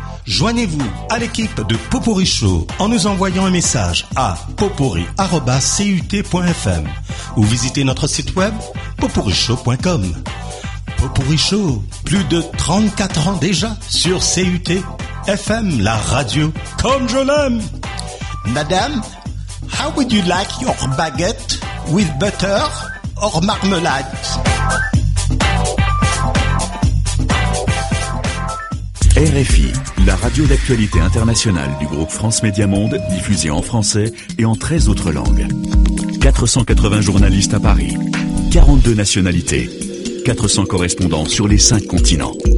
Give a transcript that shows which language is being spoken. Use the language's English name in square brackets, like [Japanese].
[French] Joignez-vous à l'équipe de Popourri Show en nous envoyant un message à popourri@cut.fm ou visitez notre site web popourrishow.com. Popourri Show, plus de 34 ans déjà sur CUT FM, la radio comme je l'aime. [English] Madame, how would you like your baguette with butter or marmalade? [French] RFI, la radio d'actualité internationale du groupe France Média Monde, diffusée en français et en 13 autres langues. 480 journalistes à Paris, 42 nationalités, 400 correspondants sur les 5 continents.